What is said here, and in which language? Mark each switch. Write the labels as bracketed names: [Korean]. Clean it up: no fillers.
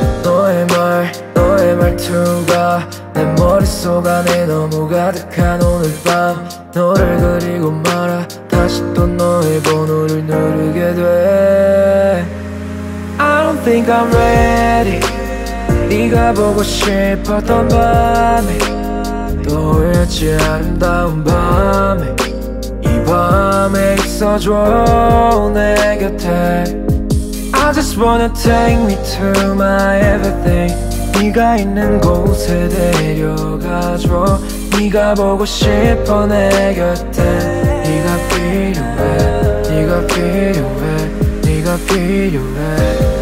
[Korean] 너의 말 너의 말투가 내 머릿속 안에 너무 가득한 오늘 밤 너를 그리고 말아 다시 또 너의 번호를 누르게 돼. [English] I don't think I'm ready. [Korean] 네가 보고 싶었던 밤에 떠올랐지 아름다운 밤에 이 밤에 있어줘 내 곁에. [English] I just wanna take me to my everything. [Korean] 네가 있는 곳에 데려가줘. 네가 보고 싶어 내 곁에. 네가 필요해 네가 필요해 네가 필요해.